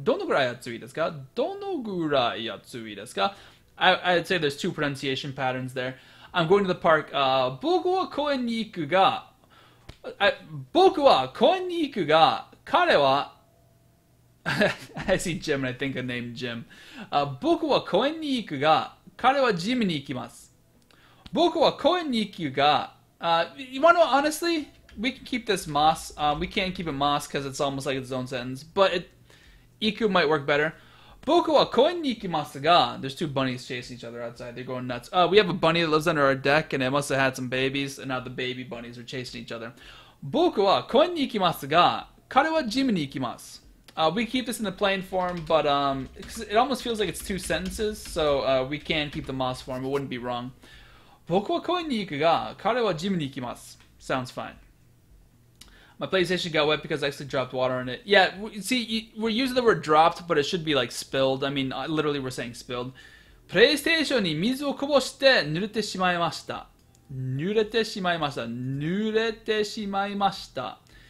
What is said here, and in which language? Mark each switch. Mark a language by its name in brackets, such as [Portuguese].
[Japanese] Dono gurai atsui desu ka? Dono gurai atsui desu ka? [English] I'd say there's two pronunciation patterns there. I'm going to the park. [Japanese] Boku wa koen ni iku ga... Boku wa koen ni iku ga... 彼は [English] I see Jim and I think of name Jim. [Japanese] 僕は公園に行くが彼はジムに行きます。僕は公園に行くが [English] you want to know, honestly, we can keep this mas. We can keep it mas because it's almost like its own sentence, but it, 行く might work better. [Japanese] 僕は公園に行きますが [English] there's two bunnies chasing each other outside. They're going nuts. We have a bunny that lives under our deck and it must have had some babies and now the baby bunnies are chasing each other. [Japanese] 僕は公園に行きますが彼はジムに行きます。 [English] We keep this in the plain form, but it almost feels like it's two sentences, so we can keep the mas form. It wouldn't be wrong. [Japanese] 僕は公園に行くが、彼はジムに行きます。 [English] Sounds fine. My PlayStation got wet because I actually dropped water on it. Yeah, see, we're using the word dropped, but it should be like spilled. I mean, literally we're saying spilled. [Japanese] PlayStation に水をこぼして濡れてしまいました。濡れてしまいました。濡れてしまいました。